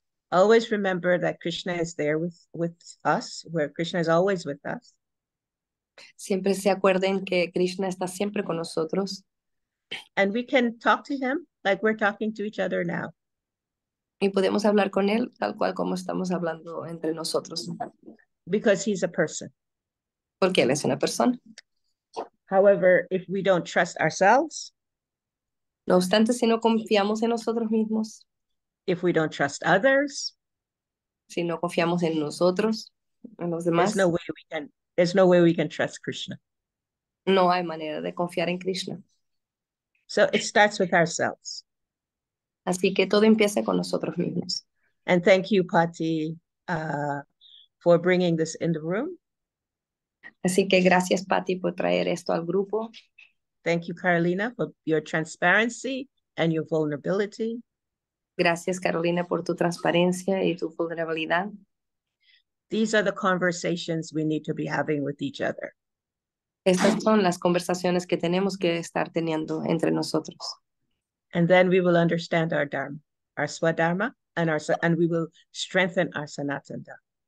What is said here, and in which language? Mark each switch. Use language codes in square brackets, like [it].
[en] Always remember that Krishna is there with us, where Krishna is always with us. [es] Siempre se acuerden que Krishna está siempre con nosotros. [en] And we can talk to him like we're talking to each other now. [es] Y podemos hablar con él tal cual como estamos hablando entre nosotros. [en] Because he's a person. [es] Porque él es una persona. [en] However, if we don't trust ourselves. [es] No obstante, si no confiamos en nosotros mismos. [en] If we don't trust others. [es] Si no confiamos en nosotros, en los demás. [en] There's no way we can trust Krishna. [es] No hay manera de confiar en Krishna. [en] So it starts with ourselves. [es] Así que todo empieza con nosotros mismos. [en] And thank you, Patti, for bringing this in the room. [es] Así que gracias, Patti, por traer esto al grupo. [en] Thank you, Carolina, for your transparency and your vulnerability. [es] Gracias, Carolina, por tu transparencia y tu vulnerabilidad. [en] These are the conversations we need to be having with each other. [es] Estas son las conversaciones que tenemos que estar teniendo entre nosotros. [en] And then we will understand our dharma, our swadharma, and we will strengthen our sanatana dharma.